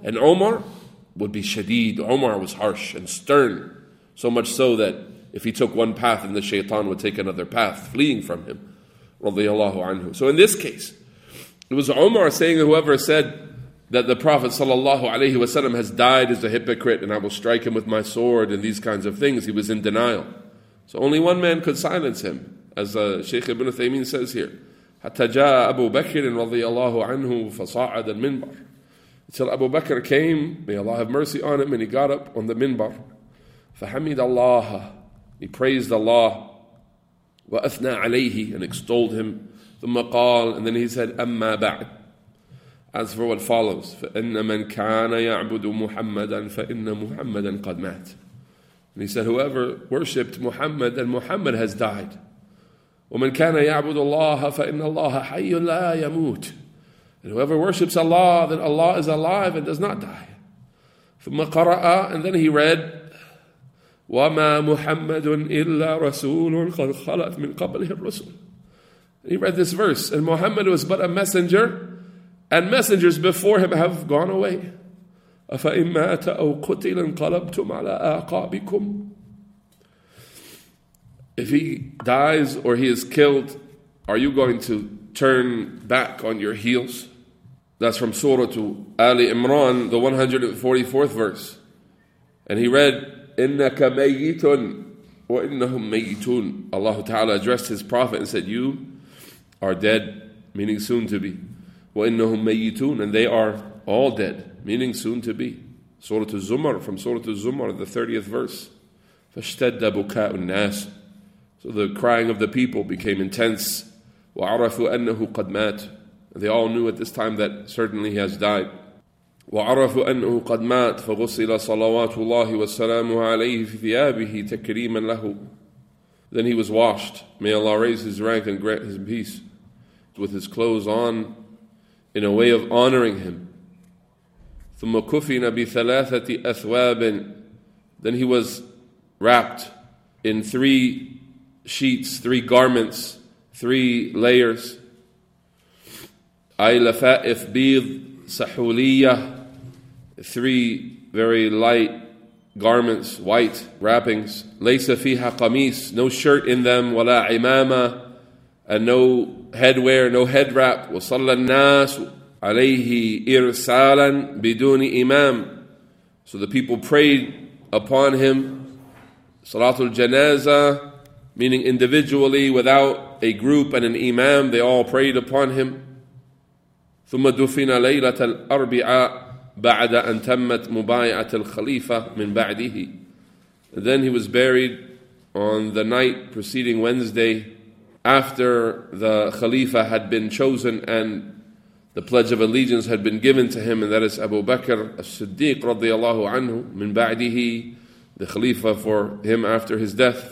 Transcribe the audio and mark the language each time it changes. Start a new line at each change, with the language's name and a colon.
English: And Umar would be shadeed. Umar was harsh and stern, so much so that if he took one path, then the shaitan would take another path, fleeing from him, radiallahu anhu. So in this case, it was Umar saying, whoever said that the Prophet sallallahu alayhi wasallam has died is a hypocrite and I will strike him with my sword and these kinds of things, he was in denial. So only one man could silence him, as Shaykh Ibn Uthaymeen says here.
Arabic: حتجاء أبو بكر رضي الله عنه فصعد المنبر.
English: Until Abu Bakr came, may Allah have mercy on him, and he got up on the minbar.
Arabic: فحمد الله,
English: he praised Allah.
Arabic: وأثنى عليه,
English: and extolled him.
Arabic: ثم قال,
English: and then he said,
Arabic: أما بعد.
English: As for what follows,
Arabic: فإن من كان يعبد محمدا فإن محمدا قد مات.
English: And he said, whoever worshipped Muhammad, then Muhammad has died.
Arabic: وَمَنْ كَانَ يَعْبُدُ اللَّهَ فَإِنَّ اللَّهَ حَيٌّ لَا يَمُوتُ.
English: And whoever worships Allah, then Allah is alive and does not die.
Arabic: ثُمَّ قَرَأَ,
English: and then he read,
Arabic: وَمَا مُحَمَّدٌ إِلَّا رَسُولٌ قَدْ خَلَتْ مِنْ قَبْلِهِ الرَّسُولُ.
English: He read this verse, and Muhammad was but a messenger, and messengers before him have gone away.
Arabic: أَفَإِنْ مَاتَ أَوْ قُتِلَ انْقَلَبْتُمْ عَلَىٰ أَعْقَابِكُمْ.
English: If he dies or he is killed, are you going to turn back on your heels? That's from Surah to Ali Imran, the 144th verse. And he read,
Arabic: إِنَّكَ مَيِّتٌ وَإِنَّهُمْ مَيِّتُونَ.
English: Allah Ta'ala addressed his prophet and said, you are dead, meaning soon to be.
Arabic: وَإِنَّهُمْ مَيِّتُونَ.
English: And they are all dead, meaning soon to be. Surah to Zumar, from Surah to Zumar, the 30th verse.
Arabic: فَاشْتَدَّ بُكَاءُ النَّاسِ.
English: So the crying of the people became intense.
Arabic: وَعَرَفُوا أَنَّهُ قَدْ مَاتُ.
English: They all knew at this time that certainly he has died.
Arabic: وعرفوا أنه قد مات فغسل صلوات الله وسلامه عليه في ثيابه تكريما له.
English: Then he was washed, may Allah raise his rank and grant his peace, with his clothes on, in a way of honoring him.
Arabic: ثم كفن بثلاثة أثواب.
English: Then he was wrapped in three sheets, three garments, three layers.
Arabic: أي لفائف بيض سحولية.
English: Three very light garments, white wrappings.
Arabic: ليس فيها قميص.
English: No shirt in them.
Arabic: ولا عمامة.
English: And no headwear, no head wrap.
Arabic: وصلى الناس عليه إرسالا بدون إمام.
English: So the people prayed upon him.
Arabic: صلاة الجنازة,
English: meaning individually without a group and an imam, they all prayed upon him.
Arabic: ثم دفن ليلة الأربعاء بعد أن تمت مبايعة الخليفة من بعده.
English: Then he was buried on the night preceding Wednesday after the Khalifa had been chosen and the pledge of allegiance had been given to him, and that is Abu Bakr as-Siddiq radiyallahu anhu
Arabic: min ba'dihi,
English: the Khalifa for him after his death.